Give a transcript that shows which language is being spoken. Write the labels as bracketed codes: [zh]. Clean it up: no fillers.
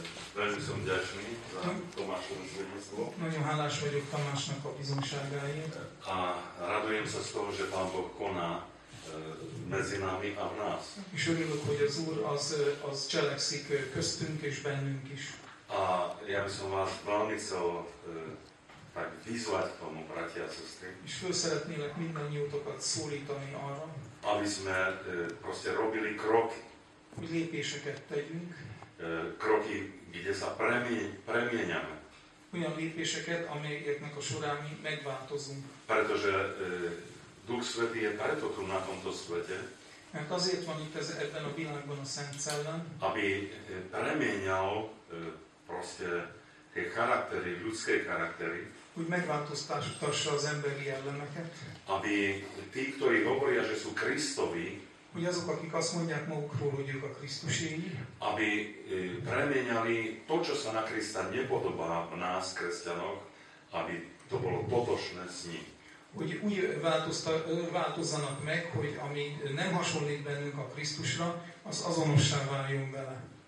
[sk] Veľmi som ďačný za Tomášovu svedectvo. [hu] Nagyon hálás vagyok Tamásnak a bizonyságáért. [sk] A radujem sa z toho, že Pán Boh koná medzi nami a v nás. [hu] És örülök, hogy az Úr az cselekszik köztünk és bennünk is. [sk] A ja by som vás veľmi chcel tak vyzvať k tomu, bratia a sestry. [hu] És föl szeretnélek mindannyiótokat szólítani arra, [sk] aby sme proste robili kroky. [hu] Hogy lépéseket tegyünk. [sk] Kroky, kde sa premieňame. [hu] Olyan lépéseket, amelyeknek a során mi megváltozunk. [sk] Pretože Duch Svätý je preto tu na tomto svete. [hu] Mert azért van itt ebben a világban a Szent Szellem. [sk] Aby premieňal proste tie charaktery, ľudské charaktery. [hu] Hogy megváltoztassa az emberi jellemeket. [sk] Aby tí, ktorí hovoria, že sú Krisztovi. [hu] Hogy azok, akik azt mondják magukról, hogy ők a Krisztuséi. [sk] Aby premieňali to, čo sa na Krista nepodobá v nás, kresťanok, aby to bolo totožné s ním. [hu] Hogy úgy változzanak meg, hogy ami nem hasonlít bennünk a Krisztusra, az azonossá váljon vele.